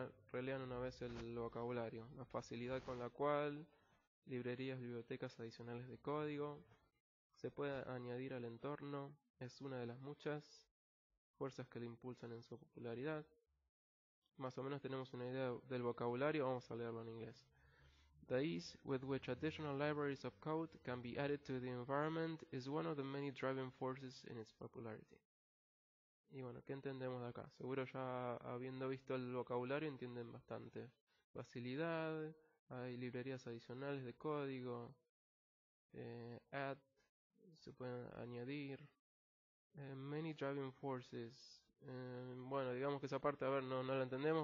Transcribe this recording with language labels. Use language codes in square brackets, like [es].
[es] Relean una vez el vocabulario, la facilidad con la cual librerías, bibliotecas adicionales de código se puede añadir al entorno, es una de las muchas fuerzas que lo impulsan en su popularidad. Más o menos tenemos una idea del vocabulario, vamos a leerlo en inglés. [en] The ease with which additional libraries of code can be added to the environment is one of the many driving forces in its popularity. [es] Y bueno, ¿qué entendemos de acá? Seguro ya habiendo visto el vocabulario entienden bastante. Facilidad, hay librerías adicionales de código, add, se pueden añadir. [en] Many driving forces. [es] Bueno, digamos que esa parte, a ver, no la entendemos.